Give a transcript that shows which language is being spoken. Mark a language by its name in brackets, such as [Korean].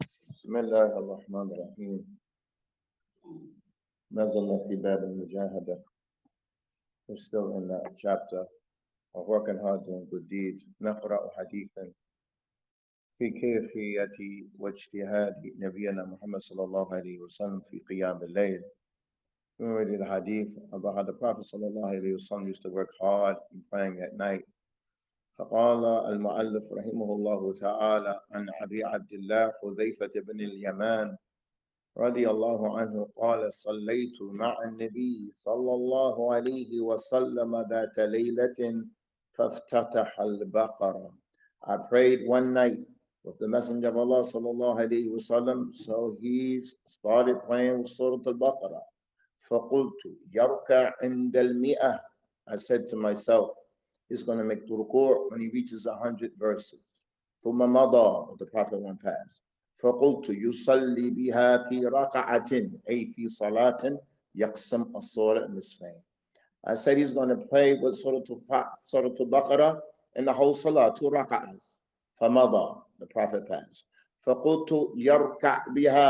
[Arabic] بسم الله الرحمن الرحيم، نزلنا في باب المجاهدة. [English] We're still in that chapter of working hard doing good deeds. [Arabic] نقرأ حديثا في كيفية واجتهاد نبينا محمد صلى الله عليه وسلم في قيام الليل. [English] We read the hadith about how the Prophet [Arabic] صلى الله عليه وسلم [English] used to work hard in praying at night. [Arabic] فقال المؤلف رحمه الله تعالى عن أبي عبد الله حذيفة بن اليمان رضي الله عنه قال: صليت مع النبي صلى الله عليه وسلم ذات ليلة فافتتح البقرة. [English] I prayed one night with the Messenger of Allah [Arabic] صلى الله عليه وسلم, [English] so he started praying with [Arabic] سورة البقرة. فقلت يركع عند المئة. [English] I said to myself, he's going to make the ruku' when he reaches 100 verses. [Arabic] ثم مضى, [English] the Prophet went past. [Arabic] فقلت يصلي بها في ركعة أي في صلاة يقسم الصورة نصفين. [English] I said he's going to pray with [Arabic] سورة البقرة [English] in the whole صلاة, two ركعات. [Arabic] فمضى, [English] the Prophet passed. [Arabic] فقلت يركع بها.